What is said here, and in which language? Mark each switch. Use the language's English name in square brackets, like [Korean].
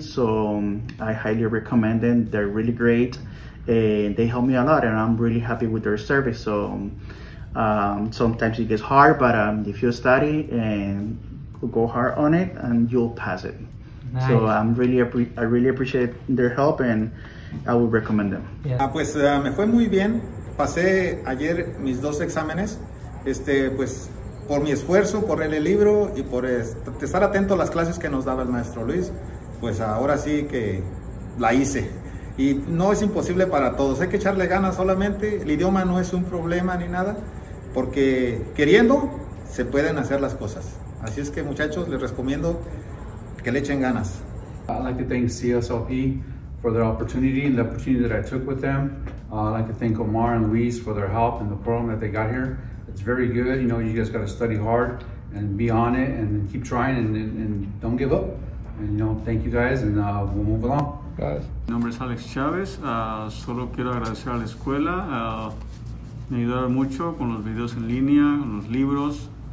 [English] So I highly recommend them. They're really great and they helped me a lot and I'm really happy with their service. So sometimes it gets hard, but if you study and go hard on it and you'll pass it. Nice. So I really appreciate their help and I would recommend them. [Spanish] Yeah. Pues me fue muy bien. Pasé ayer mis dos exámenes. Pues por mi esfuerzo, por leer el libro y por estar atento a las clases que nos daba el maestro Luis, pues ahora sí que la hice. Y no es imposible para todos. Hay que echarle ganas solamente. El idioma no es un problema ni nada, porque queriendo se pueden hacer las cosas. Así es que muchachos, les recomiendo que le echen ganas. [English] I'd like to thank CSLP for their opportunity and the opportunity that I took with them. I'd like to thank Omar and Luis for their help and the program that they got here. It's very good. You know, you guys got to study hard and be on it and keep trying and don't give up. And you know, thank you guys and we'll move along. [Spanish] Guys. Mi nombre es Alex Chávez. Solo quiero agradecer a la escuela. Me ayudaron mucho con los videos en línea, con los libros.